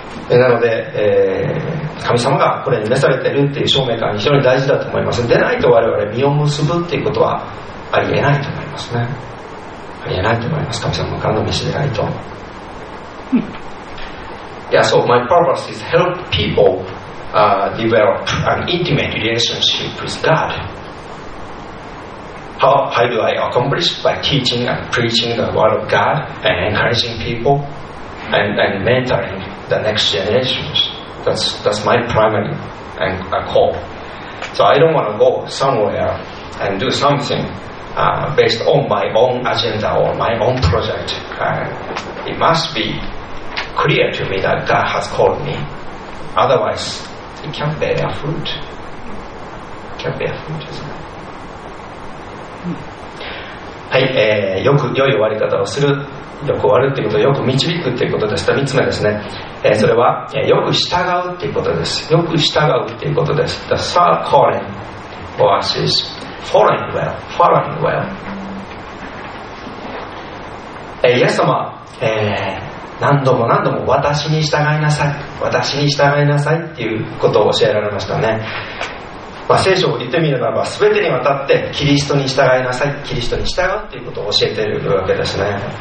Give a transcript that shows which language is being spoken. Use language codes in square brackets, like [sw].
[ja] なので、神様がこれに召されているっていう証明感は非常に大事だと思います。でないと我々身を結ぶっていうことはありえないと思いますね。ありえないと思います。神様からの召しでないと、うん、 [en] Yeah, so my purpose is help people develop an intimate relationship with God. How do I accomplish? By teaching and preaching the word of God and encouraging people and mentoring the next generations. That's my primary and a call. So I don't want to go somewhere and do something based on my own agenda or my own project. It must be clear to me that God has called me. Otherwise, it can't bear fruit. It can't bear fruit, isn't it? [ja] はい、よく良い終わり方をするよく終わるということをよく導くということです。 3つ目ですね、それは、よく従うということです。よく従うということです。 [en] The third calling for us is following well, following well. [ja] イエス様、何度も何度も私に従いなさい、私に従いなさいということを教えられましたね。まあ、聖書を言ってみればすべてにわたってキリストに従いなさい、キリストに従うということを教えているわけですね。